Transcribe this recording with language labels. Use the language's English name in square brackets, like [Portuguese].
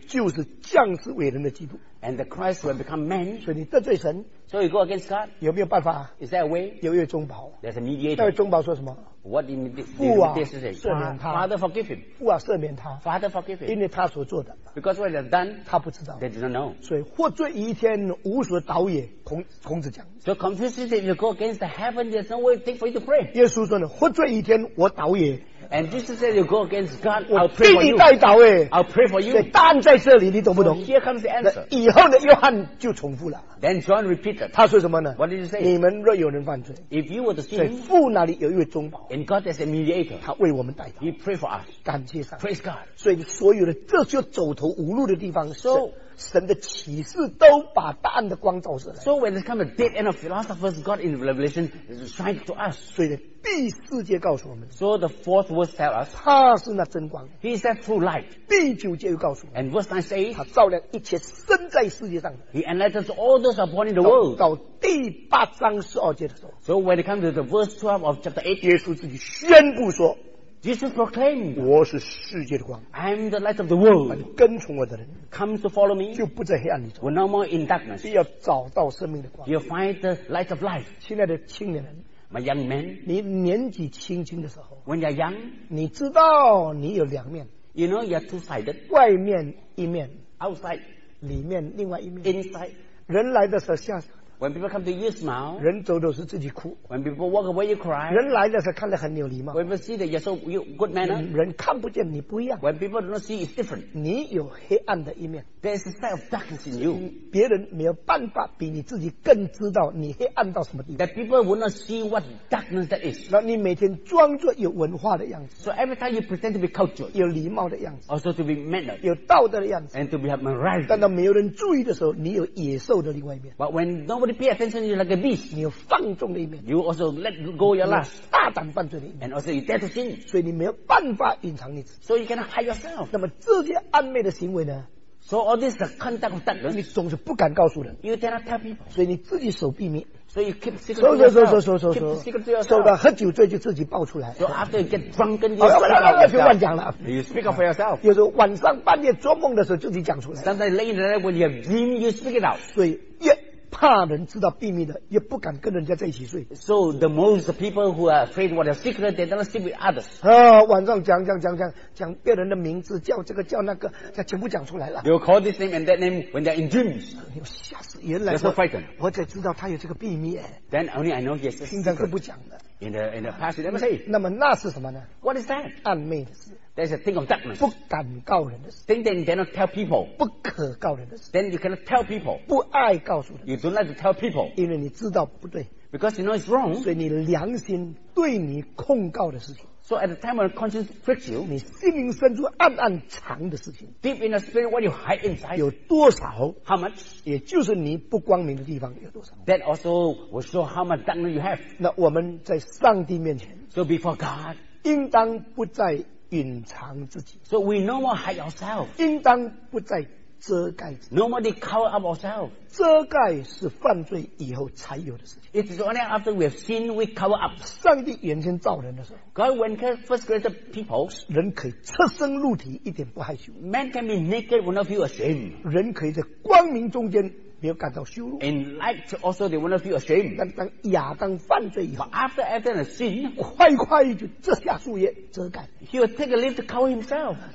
[Chinese] 就是降世为人的基督 [English] And the Christ will become man [Chinese] 所以你得罪神 [English] So you go against God? [Chinese] 有没有办法 [English] Is there a way? [Chinese] 有一位中保 [English] There's a mediator. [Chinese] 那位中保说什么 [English] What did mediator say? [Chinese] 赦免他 [English] Father forgive him. [Chinese] 父啊赦免他 [English] Father forgive him. [Chinese] 因为他所做的 [English] Because what they've done, [Chinese] 他不知道 [English] They didn't know. [Chinese] 所以获罪于天无所导也 孔子讲 [English] So Confucius said, you go against the heaven, there's no way for you to pray. [Chinese] 耶稣说呢获罪于天我导也 [English] And Jesus said, you go against God, I'll pray for you. [Chinese] 我替你代祷耶 [English] I'll pray for you. [Chinese] 答案在这里你懂不懂 [English] So here comes the answer. [Chinese] 以后呢约翰就重复了 [English] Then John repeated. [Chinese] 他说什么呢 [English] What did you say? [Chinese] 你们若有人犯罪 [English] If you were to sin, [Chinese] 在父那里有一位中保 [English] And God is a mediator, [Chinese] 他为我们代祷 [English] He prayed for us [Chinese] 感谢上 [English] Praise God [Chinese] 所以所有的这些走投无路的地方 So 神的启示都把答案的光照射来 [English] So when it comes to the dead end of philosophers God in revelation is shining to us [Chinese] 所以第四节告诉我们 [English] So the fourth verse tells us [Chinese] 他是那真光 [English] He is that true light [Chinese] 第九节又告诉我们 [English] And verse 9 says [Chinese] 他照亮一切生在世界上的 [English] He enlightens all those upon in the world [Chinese] 到第八章十二节的时候 [English] So when it comes to the verse 12 of chapter 8 [Chinese] 耶稣自己宣布说 [English] Jesus proclaimed [Chinese] 我是世界的光 [English] I am the light of the world [Chinese] 跟从我的人 [English] Come to follow me [Chinese] 就不在黑暗里走 [English] We're no more in darkness [Chinese] 要找到生命的光 [English] You'll find the light of life [Chinese] 亲爱的青年人 [English] My young man, [Chinese] 你年纪轻轻的时候 [English] when you're young, [Chinese] 你知道你有两面 [English] you know you're two-sided, [Chinese] 外面一面 [English] outside, [Chinese] 里面另外一面 [English] inside, [Chinese] 人来的时候笑 [English] when people come to you smile, [Chinese] 人走的时候自己哭 [English] when people walk away you cry, [Chinese] 人来的时候看得很有礼貌 [English] when people see that you're so good manner, [Chinese] 人看不见你不一样 [English] when people don't see it's different, [Chinese] 你有黑暗的一面 [English] there's a side of darkness in you, [Chinese] 别人没有办法比你自己更知道你黑暗到什么地方 [English] that people will not see what darkness that is, [Chinese] 那你每天装作有文化的样子 [English] so every time you pretend to be cultured, [Chinese] 有礼貌的样子 [English] also to be mannered, [Chinese] 有道德的样子 [English] and to be a morality, [Chinese] 但当没有人注意的时候你有野兽的另外一面 [English] but when nobody pay attention you're like a beast [Chinese] 你有放纵的一面 [English] you also let go your lust [Chinese] 大胆犯罪的一面 [English] and also you dare to sin [Chinese] 所以你没有办法隐藏你自己 [English] so you cannot hide yourself [Chinese] 那么这些暧昧的行为呢 [English] so all this is the conduct of darkness [Chinese] 你总是不敢告诉人 [English] you cannot tell people [Chinese] 所以你自己守秘密 [English] so you keep secret to yourself [Chinese] so 到喝酒醉就自己爆出来 [English] so after you get drunk and you speak up yourself you speak up for yourself [Chinese] 有时候晚上半夜做梦的时候自己讲出来 [English] sometimes late in the night when you have dream you speak it out [Chinese] 所以越怕人知道秘密的，也不敢跟人家在一起睡。 [English] So the most people who are afraid what are secret, they don't sleep with others. [Chinese] 啊，晚上讲别人的名字，叫这个叫那个，他全部讲出来了。 [English] They'll call this name and that name when they're in dreams. [Chinese] 吓死，原来。 [English] That's so frightened. [Chinese] 我才知道他有这个秘密。 [English] Then only I know he has a [Chinese] secret. 平常是不讲的。 [English] In the past, you never say. [Chinese] 那么那是什么呢 [English] ？What is that? [Chinese] 暗昧的事。 [English] There's a thing of darkness. [Chinese] 不敢告人的事。 [English] Thing that you cannot tell people. [Chinese] 不可告人的事。 [English] Then you cannot tell people. [Chinese] 不爱告诉人。 [English] You don't like to tell people. [Chinese] 因为你知道不对。 [English] Because you know it's wrong. [Chinese] 所以你良心对你控告的事情。 [English] So at the time when conscience pricks you, [Chinese] 你心灵深处暗暗藏的事情。 [English] Deep in the spirit, what you hide inside. [Chinese] 有多少 [English] ？How much? [Chinese] 也就是你不光明的地方有多少 [English] ？That also will show how much darkness you have. [Chinese] 那我们在上帝面前 [English] ，So before God, [Chinese] 应当不再。隐藏自己 [English] So we no more hide ourselves [Chinese] 应当不再遮盖自己 [English] Nobody cover up ourselves [Chinese] 遮盖是犯罪以后才有的事情 [English] It's only after we have sinned we cover up [Chinese] 上帝原先造人的时候 [English] God when he first created people [Chinese] 人可以赤身露体一点不害羞 [English] Man can be naked will not feel ashamed [Chinese] 人可以在光明中间没有感到羞辱 [English] In light also they will not feel ashamed [Chinese] 但当亚当犯罪以后 [English] But after Adam has sinned [Chinese] 快快就遮下树叶遮盖 [English] He will take a leaf to cover himself